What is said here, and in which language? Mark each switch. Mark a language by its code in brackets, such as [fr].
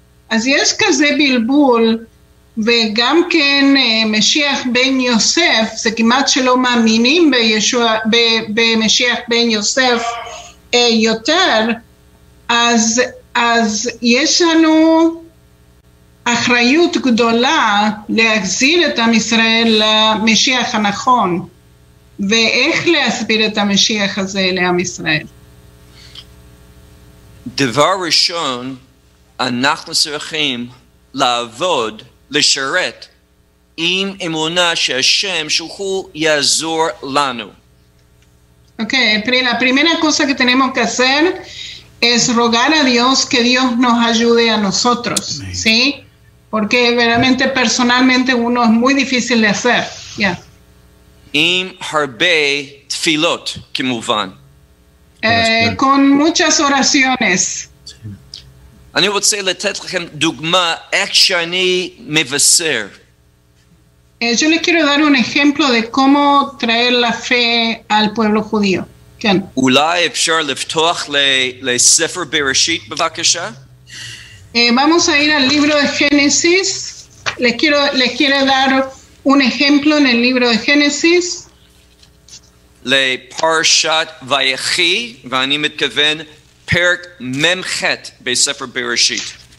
[he] אז יש כזה בלבול, וגם כן משיח בן יוסף, זה כמעט שלא מאמינים במשיח בן יוסף יותר, אז יש לנו אחריות גדולה להחזיר את עם ישראל למשיח הנכון, ואיך להסביר את המשיח הזה לעם ישראל. דבר ראשון, אנחנו צריכים לעבוד, לשרת עם אמונה שהשם שהוא יעזור לנו. [es] אוקיי, la primera cosa que tenemos que hacer es rogar a Dios que Dios nos ayude a nosotros, ¿sí? Porque realmente personalmente uno es muy difícil de hacer, ya. [he] Im harbe tfilot kimuvan. [es] Con muchas oraciones. [he] Ani rotze letet lachem dugma ech shani mevaser. [es] Yo les quiero dar un ejemplo de cómo traer la fe al pueblo judío. [he] אולי אפשר לפתוח לספר בראשית, בבקשה? [es] Vamos a ir al libro de Génesis. Le quiero dar un ejemplo en el libro de Génesis. [he] לפרשת ויחי, ואני מתכוון פרק ממחת בספר בראשית.